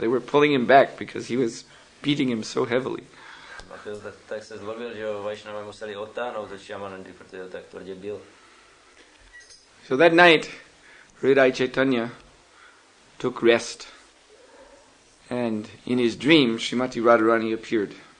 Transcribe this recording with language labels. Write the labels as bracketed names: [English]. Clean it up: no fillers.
[English] They were pulling him back because he was beating him so heavily. [Czech] Tak se zlobil, že Vaishnava museli odtáhnout od Shyamanandy, protože tak tvrdě bil. [English] So that night, Hridaya Chaitanya took rest, and in his dream, Srimati Radharani appeared.